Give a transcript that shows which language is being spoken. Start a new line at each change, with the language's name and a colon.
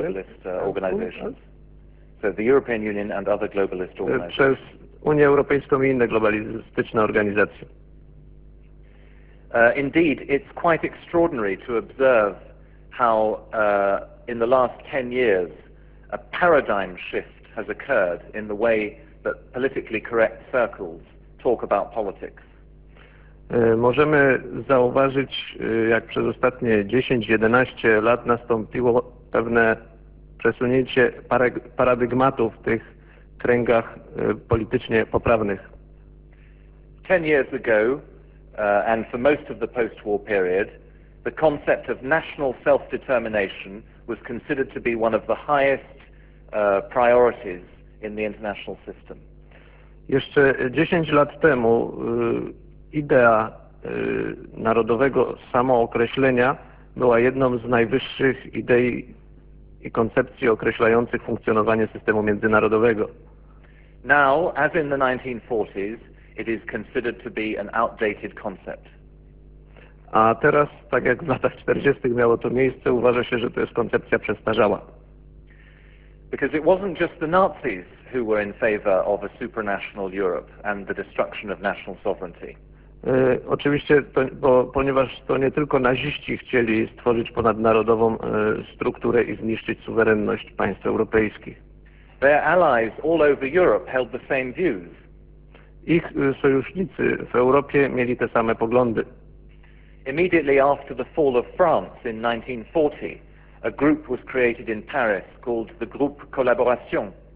English: other globalist organizations. So the European Union and other globalist organizations.
Polish: Przez Unię Europejską i inne globalistyczne organizacje.
English: Indeed, it's quite extraordinary to observe how in the last 10 years a paradigm shift has occurred in the way that politically correct circles talk about politics.
Polish: Możemy zauważyć, jak przez ostatnie 10-11 lat nastąpiło pewne przesunięcie paradygmatów w tych kręgach politycznie poprawnych.
English: 10 years ago, and for most of the post-war period, the concept of national self-determination was considered to be one of the highest priorities in the international system.
Polish: Jeszcze 10 lat temu idea narodowego samookreślenia była jedną z najwyższych idei i koncepcji określających funkcjonowanie systemu międzynarodowego.
English: Now, as in the 1940s, it is considered to be an outdated concept.
Polish: A teraz, tak jak w latach 40. miało to miejsce, uważa się, że to jest koncepcja przestarzała.
English: Because it wasn't just the Nazis who were in favor of a supranational Europe and the destruction of national sovereignty.
Polish: Oczywiście, ponieważ to nie tylko naziści chcieli stworzyć ponadnarodową strukturę i zniszczyć suwerenność państw europejskich.
English: Their allies all over Europe held the same views.
Polish: Ich sojusznicy w Europie mieli te same poglądy.
English: Immediately after the fall of France in 1940, a group was created in Paris called the Groupe Collaboration.